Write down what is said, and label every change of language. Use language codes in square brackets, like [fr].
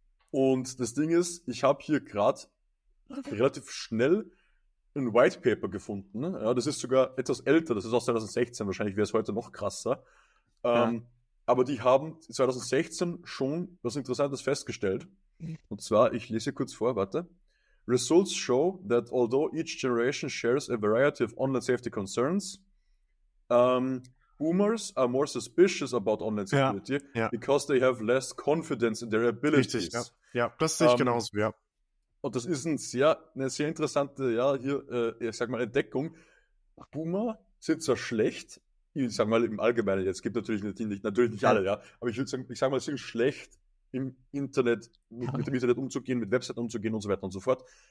[de] Und das Ding ist, ich habe hier gerade relativ schnell ein White Paper gefunden. Ja, das ist sogar etwas älter, das ist aus 2016, wahrscheinlich wäre es heute noch krasser. Aber die haben 2016 schon was Interessantes festgestellt. Und zwar, ich lese kurz vor, warte. [en] Results show that although each generation shares a variety of online safety concerns, Boomers are more suspicious about online security because they have less confidence in their abilities. [de] Richtig, ja, das sehe ich genauso, ja. Und das ist eine sehr interessante, ja, hier, ich sag mal, Entdeckung. Boomer sind zwar schlecht, ich sag mal im Allgemeinen, jetzt gibt natürlich nicht alle, ja, aber ich würde sagen, ich sag mal, sind schlecht im Internet, mit dem Internet umzugehen, mit Webseiten umzugehen und so weiter und so fort.